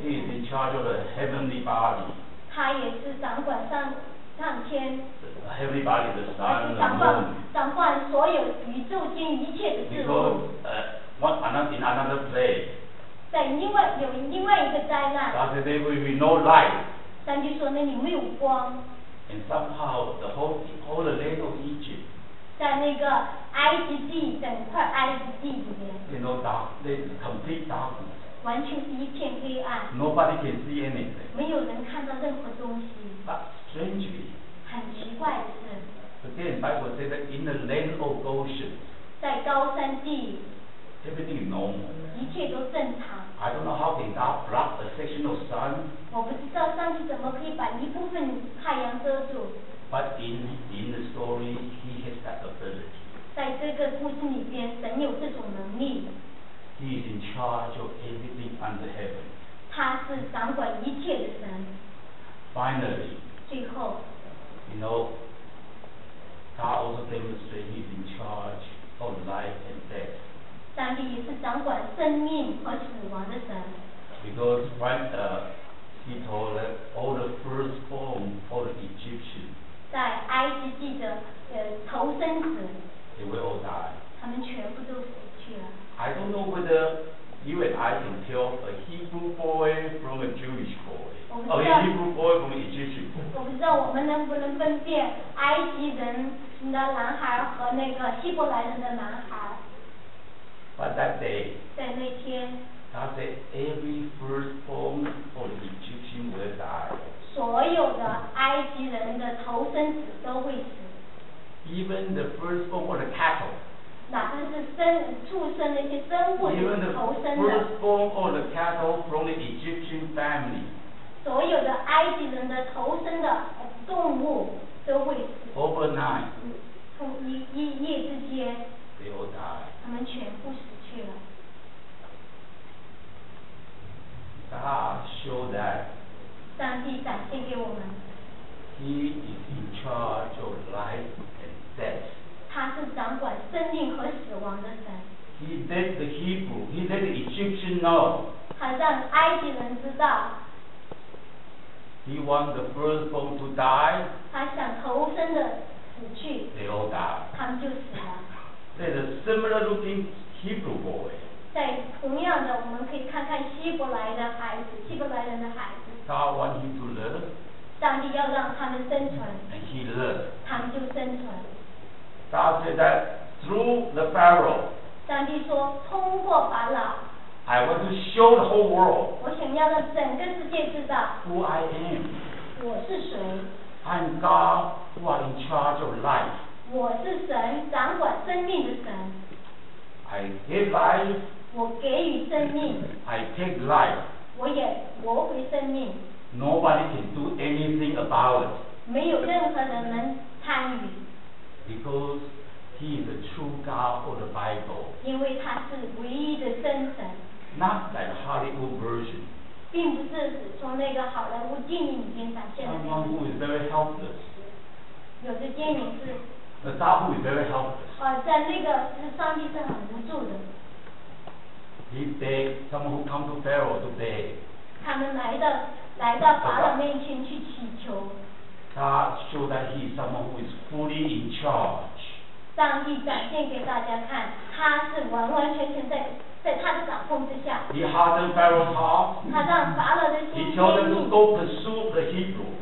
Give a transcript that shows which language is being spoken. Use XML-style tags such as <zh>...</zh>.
<en>He is in charge of the heavenly body.</en> <zh>他也是掌管上天。</zh> <en>The heavenly body, the sun and the moon.</en> <zh>掌管所有宇宙间一切的事物。</zh> <en>Because in another place.</en> <zh>在另外一个灾难。</zh> <en>God said there will be no light.</en> <zh>上帝说那里没有光。</zh> <en>And somehow the whole land of Egypt.</en> <zh>在那个埃及地整块埃及地里面</zh> <en>you know, complete darkness.</en> <zh>完全是一片黑暗</zh> <en>Nobody can see anything.</en> <zh>没有人看到任何东西</zh> <en>But strangely</en> <zh>很奇怪的是</zh> <en>Again, Bible says that in the land of Goshen</en> <zh>在高山地</zh> <en>Everything is normal</en> <zh>一切都正常</zh> <en>I don't know how can God block a section of sun</en> <zh>我不知道上帝怎么可以把一部分太阳遮住</zh> <en>But in the story, he has that ability.</en> <zh>在这个故事里边，神有这种能力。</zh> <en>He is in charge of everything under heaven.</en> <zh>他是掌管一切的神。</zh> <en>Finally.</en> <zh>最后。</zh> <en>You know, God also demonstrates he is in charge of life and death.</en> <zh>上帝也是掌管生命和死亡的神。</zh> <en>Because when he told that all the firstborn for the Egyptians.</en> <zh>在埃及地的头生子</zh> <en>They will all die.</en> <zh>他们全部都死去了</zh> <en>I don't know whether you and I can tell a Hebrew boy from a Jewish boy or a Hebrew boy from an Egyptian boy</en> <zh>我不知道我们能不能分辨埃及人的男孩和那个希伯来人的男孩</zh> <en>But that day</en> <zh>在那天</zh> <en>God said every firstborn of the Egyptian will die.</en> <zh>所有的埃及人的头生子都会死。</zh> <en>Even the firstborn or the cattle.</en> <zh>哪怕是畜生那些生物的头生的。</zh> <en>Even the firstborn or the cattle from the Egyptian family.</en> <zh>所有的埃及人的头生的动物都会死。</zh> <en>Overnight.</en> <zh>从一夜之间。</zh> <en>They all die.</en> <zh>他们全部死去了。</zh> <en>God showed that.</en> <zh>上帝展现给我们</zh> <en>He is in charge of life and death</en> <zh>他是掌管生命和死亡的神</zh> <en>He let the Hebrew, he let the Egyptian know</en> <zh>他让埃及人知道</zh> <en>He wants the firstborn to die</en> <zh>他想头生的死去</zh> <en>They all die</en> <zh>他们就死了</zh> <en>There's a similar looking Hebrew boy</en> <zh>在同样的我们可以看看希伯来的孩子希伯来人的孩子</zh> <en>God wants him to live.</en> <zh>上帝要让他们生存。</zh> <en>And he lived.</en> <zh>他们就生存。</zh> <en>God said that through the Pharaoh.</en> <zh>上帝说通过法老。</zh> <en>I want to show the whole world.</en> <zh>我想要让整个世界知道。</zh> <en>Who I am.</en> <zh>我是谁。</zh> <en>I'm God who are in charge of life.</en> <zh>我是神掌管生命的神。</zh> <en>I give life.</en> <zh>我给予生命。</zh> <en>I take life.</en> <zh>我回生命</zh> <en>Nobody can do anything about it</en> <zh>没有任何人能参与</zh> <en>Because he is the true God of the Bible</en> <zh>因为他是唯一的真神</zh> <en>Not like Hollywood version</en> <zh>并不是从那个好莱坞电影里面展现的</zh> <en>Someone who is very helpless</en> <zh>有的电影是</zh> <en>The God who is very helpless</en> <zh>在那个是上帝是很无助的</zh> <en>He begged someone who come to Pharaoh to beg.</en> <zh>他们来到法老面前去祈求。</zh> <en>God showed that he is someone who is fully in charge.</en> <zh>上帝展现给大家看，他是完完全全在他的掌控之下。</zh> <en>He hardened Pharaoh's heart.</en> <zh>他让法老的心。</zh> <en>He told them to go pursue the Hebrew.</en>